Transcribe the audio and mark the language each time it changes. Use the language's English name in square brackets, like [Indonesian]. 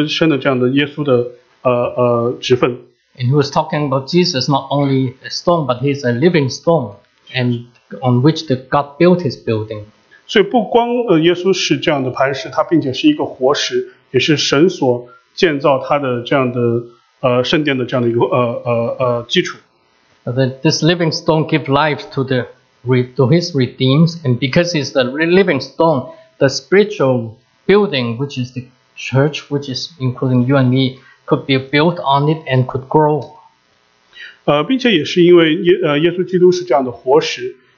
[Chinese] 所以在彼得生命尽头的时候，他必然会想起他当时所宣称的这样的耶稣的职分。 [English] And he was talking about Jesus not only a stone, but he's a living stone, and on which the God built his building. [Chinese] 所以不光耶稣是这样的磐石，他并且是一个活石，也是神所建造他的这样的圣殿的这样的一个基础。 [English] This living stone gives life to his redeems, and because it's the living stone, the spiritual building, which is the church, which is including you and me, could be built on it and could grow. [Chinese] 并且也是因为耶稣基督是这样的活石。